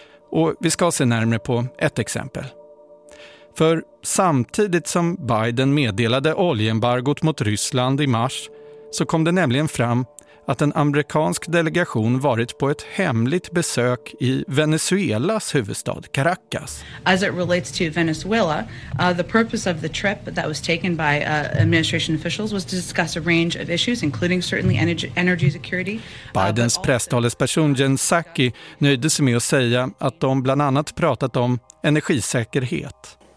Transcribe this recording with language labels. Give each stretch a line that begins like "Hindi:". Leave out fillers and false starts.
Swedish: Och vi ska se närmare på ett exempel. För samtidigt som Biden meddelade oljeembargot mot Ryssland i mars så kom det nämligen fram att en amerikansk delegation varit på ett hemligt besök i Venezuelas huvudstad Caracas.
English: As it relates to Venezuela, the purpose of the trip that was taken by administration officials was to discuss a range of issues including certainly energy security.
Swedish: Bidens presstalesperson Jen Psaki nöjde sig med att säga att de bland annat pratat om energisäkerhet.